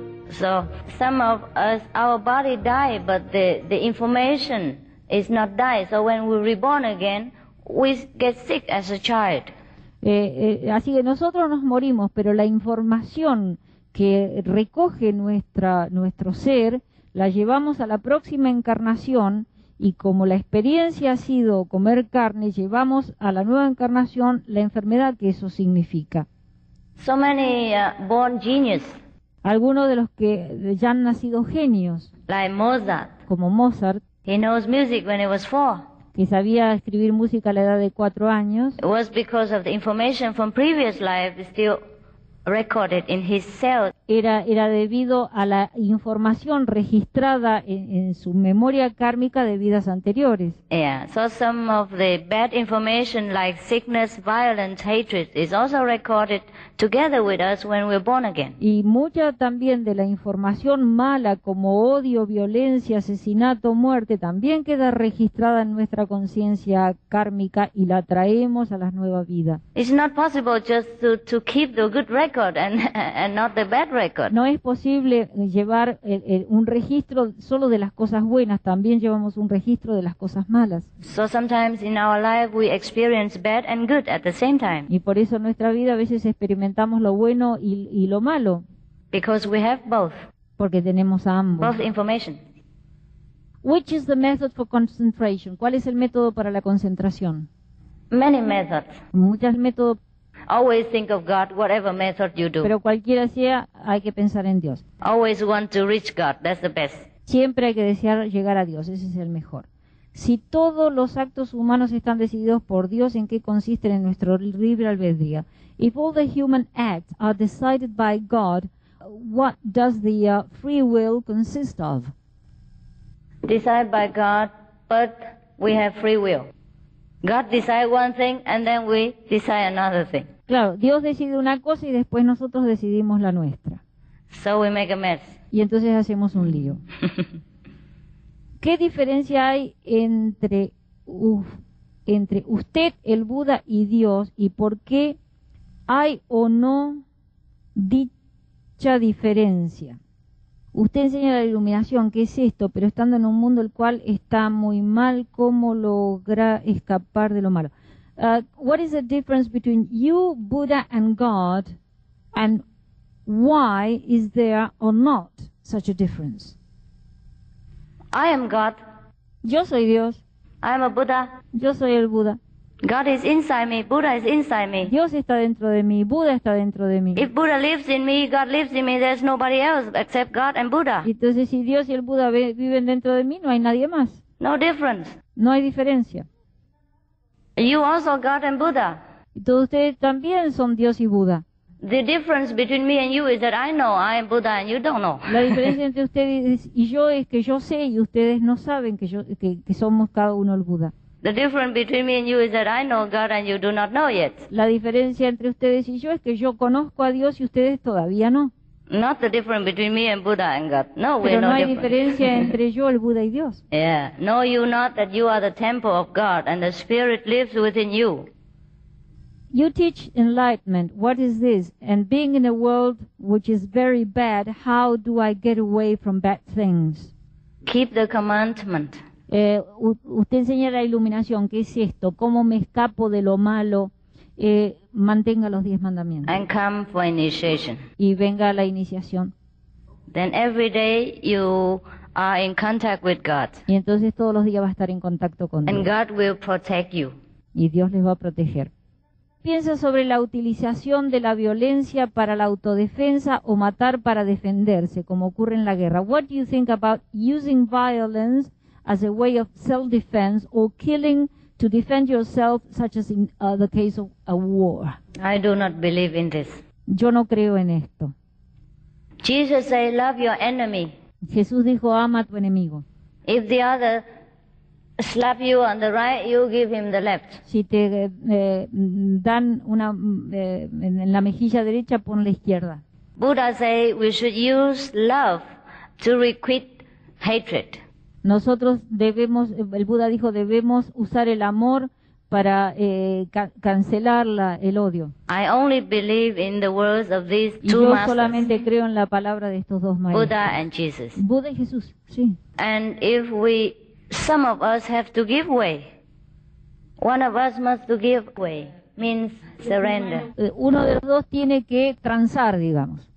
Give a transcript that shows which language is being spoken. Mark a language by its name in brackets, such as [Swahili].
[English] So some of us, our body die, but the information is not die. So when we reborn again, we get sick as a child. [Spanish] Así que nosotros nos morimos, pero la información que recoge nuestro ser la llevamos a la próxima encarnación, y como la experiencia ha sido comer carne, llevamos a la nueva encarnación la enfermedad que eso significa. [English] So many born genius. [Spanish] algunos de los que ya han nacido genios, [English] like Mozart, [Spanish] como Mozart, [English] he knows music when he was four, [Spanish] que sabía escribir música a la edad de 4 años. [English] It was because of the information from previous life still recorded in his cells. [Spanish] Era debido a la información registrada en su memoria kármica de vidas anteriores. [English] Yeah, so some of the bad information like sickness, violence, hatred is also recorded together with us when we're born again. [Spanish] Y mucha también de la información mala como odio, violencia, asesinato, muerte también queda registrada en nuestra conciencia kármica y la traemos a la nueva vida. [English] It's not possible just to keep the good record and not the bad record. [Spanish] No es posible llevar un registro solo de las cosas buenas, también llevamos un registro de las cosas malas. [English] So sometimes in our life we experience bad and good at the same time. [Spanish] Y por eso en nuestra vida a veces experimentamos lo bueno y lo malo. [English] Because we have both. [Spanish] Porque tenemos ambos. [English] Both information. Which is the method for concentration? [Spanish] ¿Cuál es el método para la concentración? [English] Many methods. [Spanish] Muchos métodos. [English] Always think of God, whatever method you do. [Spanish] Pero cualquiera sea, hay que pensar en Dios. [English] Always want to reach God, that's the best. [Spanish] Siempre hay que desear llegar a Dios, ese es el mejor. Si todos los actos humanos están decididos por Dios, ¿en qué consiste en nuestro libre albedrío? [English] If all the human acts are decided by God, what does the free will consist of? Decided by God, but we have free will. God decides one thing and then we decide another thing. [Spanish] Claro, Dios decide una cosa y después nosotros decidimos la nuestra. [English] So we make a mess. [Spanish] Y entonces hacemos un lío. ¿Qué diferencia hay entre usted, el Buda y Dios y por qué hay o no dicha diferencia? Usted enseña la iluminación, ¿qué es esto? Pero estando en un mundo el cual está muy mal, ¿cómo logra escapar de lo malo? [English] What is the difference between you, Buddha, and God, and why is there or not such a difference? I am God. [Spanish] Yo soy Dios. [English] I am a Buddha. [Spanish] Yo soy el Buddha. [English] God is inside me, Buddha is inside me. [Spanish] Dios está dentro de mí, Buddha está dentro de mí. [English] If Buddha lives in me, God lives in me, there's nobody else except God and Buddha. [Spanish] Entonces si Dios y el Buda viven dentro de mí, no hay nadie más. [English] No difference. [Spanish] No hay diferencia. [English] You also God and Buddha. [Spanish] Entonces ustedes también son Dios y Buddha. [English] The difference between me and you is that I know I am Buddha and you don't know. [Spanish] La diferencia entre ustedes y yo es que yo sé y ustedes no saben que somos cada uno el Buddha. [English] The difference between me and you is that I know God and you do not know yet. [Spanish] La diferencia entre ustedes y yo es que yo conozco a Dios y ustedes todavía no. [English] Not the difference between me and Buddha and God. [Spanish] No, pero [English] we're no [Spanish] hay [English] different. [Spanish] Diferencia entre yo, el Buda y Dios. [English] Yeah. Know you not that you are the temple of God and the Spirit lives within you. You teach enlightenment. What is this? And being in a world which is very bad, how do I get away from bad things? Keep the commandment. [Spanish] Usted enseña la iluminación, ¿qué es esto? ¿Cómo me escapo de lo malo? Mantenga los 10 mandamientos. [English] And come for initiation. [Spanish] Y venga a la iniciación. [English] Then every day you are in contact with God. [Spanish] Y entonces todos los días va a estar en contacto con [English] Dios. And God will protect you. [Spanish] Y Dios les va a proteger. ¿Piensa sobre la utilización de la violencia para la autodefensa o matar para defenderse, como ocurre en la guerra? [English] What do you think about using violence as a way of self-defense or killing to defend yourself, such as in the case of a war? I do not believe in this. [Spanish] Yo no creo en esto. [English] Jesus said, love your enemy. [Spanish] Jesús dijo, ama a tu enemigo. [English] If the other slap you on the right, you give him the left. [Spanish] Si te dan una en la mejilla derecha, pon la izquierda. [English] Buddha said, we should use love to requite hatred. [Spanish] Nosotros debemos, el Buda dijo, debemos usar el amor para cancelar el odio. [English] I only believe in the words of these two masters. [Spanish] Yo solamente creo en la palabra de estos dos maestros. [English] Buddha and Jesus. [Spanish] Buda y Jesús, sí. [English] And if we, some of us have to give way. One of us must to give way, means surrender. [Spanish] Uno de los dos tiene que transar, digamos.